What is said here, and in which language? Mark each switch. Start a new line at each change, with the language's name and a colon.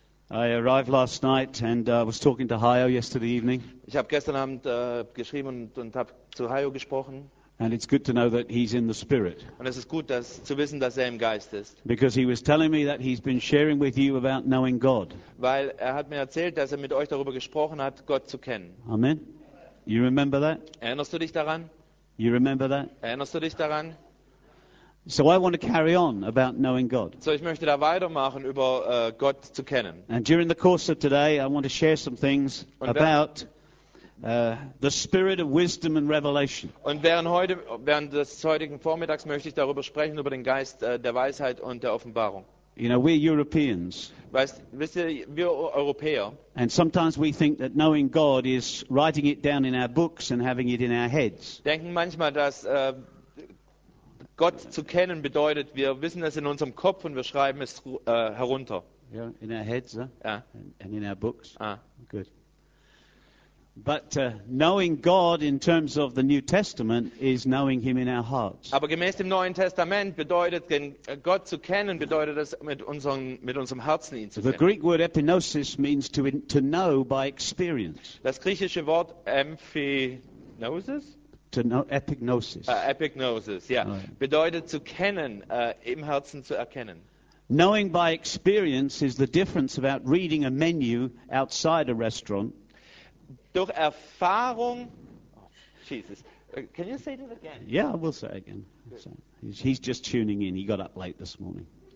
English: I arrived last night and was talking to Hayo yesterday evening.
German: Ich habe gestern Abend geschrieben und habe zu Hayo gesprochen.
English: And it's good to know that he's in the spirit.
German: Und es ist gut, dass zu wissen, dass er im Geist ist.
English: Because he was telling me that he's been sharing with you about knowing God.
German: Weil er hat mir erzählt, dass er mit euch darüber gesprochen hat, Gott zu kennen.
English: Amen. You remember that?
German: Erinnerst du dich daran?
English: You remember that?
German: Erinnerst du dich daran?
English: So I want to carry on about knowing God.
German: So ich möchte da weitermachen über Gott zu kennen.
English: And during the course of today, I want to share some things about the spirit of wisdom and revelation.
German: Und während des heutigen Vormittags möchte ich darüber sprechen über den Geist der Weisheit und der Offenbarung.
English: You know, we're Europeans.
German: Wir Europäer.
English: And sometimes we think that knowing God is writing it down in our books and having it in our heads.
German: Denken manchmal, dass Gott zu kennen bedeutet, wir wissen es in unserem Kopf und wir schreiben es herunter.
English: Yeah, in our heads, huh? Yeah. And in our books. Ah, good. But knowing God in terms of the New Testament is knowing Him in our hearts.
German: Aber gemäß dem Neuen Testament bedeutet, Gott zu kennen, bedeutet es mit unserem Herzen ihn zu kennen.
English: The Greek word epinosis means to know by experience.
German: Das griechische Wort emphinosis.
English: To know epignosis. Epignosis, yeah. Right.
German: Bedeutet zu kennen, im Herzen zu erkennen.
English: Knowing by experience is the difference about reading a menu outside a restaurant.
German: Durch Erfahrung.
English: Oh, Jesus. Can you say that again? Yeah, I will say it again. He's just tuning in. He got up late this morning.